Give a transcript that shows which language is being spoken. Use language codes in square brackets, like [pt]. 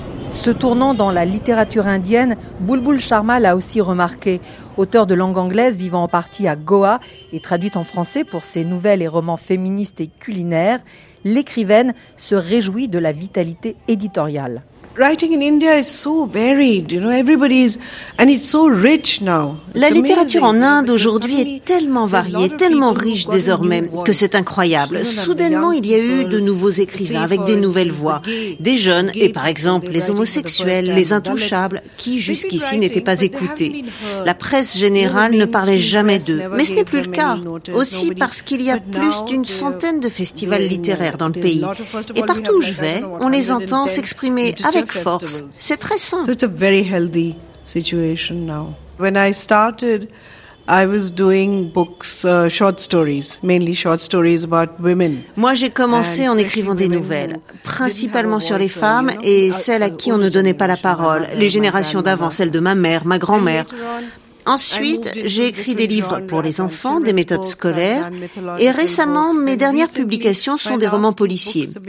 [fr] Ce tournant dans la littérature indienne, Bulbul Sharma l'a aussi remarqué. Auteur de langue anglaise vivant en partie à Goa et traduite en français pour ses nouvelles et romans féministes et culinaires, l'écrivaine se réjouit de la vitalité éditoriale. [en] Writing in India is so varied, you know, everybody is, and it's so rich now. [fr] La littérature en Inde aujourd'hui est tellement variée, tellement riche désormais, que c'est incroyable. Soudainement, il y a eu de nouveaux écrivains avec des nouvelles voix, des jeunes, et par exemple, les homosexuels, les intouchables, qui jusqu'ici n'étaient pas écoutés. La presse générale ne parlait jamais d'eux, mais ce n'est plus le cas. Aussi parce qu'il y a plus d'une centaine de festivals littéraires dans le pays. Et partout où je vais, on les entend s'exprimer avec force, c'est très sain. [en] So it's a very healthy situation now. When I started, I was doing books, short stories, mainly short stories about women. [fr] Moi, j'ai commencé en écrivant des nouvelles, principalement sur les femmes et celles à qui on ne donnait pas la parole, les générations d'avant, celles de ma mère, ma grand-mère. Ensuite, j'ai écrit des livres pour les enfants, des méthodes scolaires, et récemment, mes dernières publications sont des romans policiers.